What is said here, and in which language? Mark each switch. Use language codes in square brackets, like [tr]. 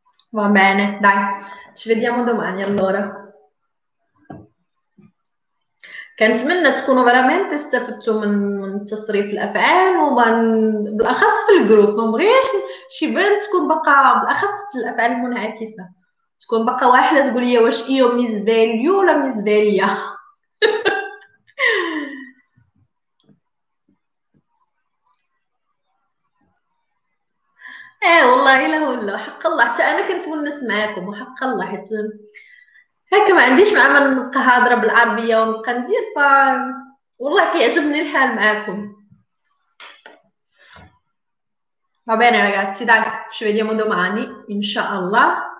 [it] Va bene, dai, ci vediamo domani allora. [ar] كنتمنى تكونوا [it] veramente [ar] استفدتوا من تصريف الافعال، وبالاخص في الجروب، ما بغيتش شي بنت تكون بقى بالاخص في الافعال المنعكسه، تكون بقى واحده تقول لي واش ايو ميز فاليو ولا ميز فاليا. والله لا والله حق الله، حتى انا كنت منس معاكم وحق الله، حيت هكا ما عنديش مع من نبقى هضره بالعربيه ونبقى ندير، ف والله كيعجبني الحال معاكم. [it] va bene ragazzi dai ci vediamo domani ان شاء الله.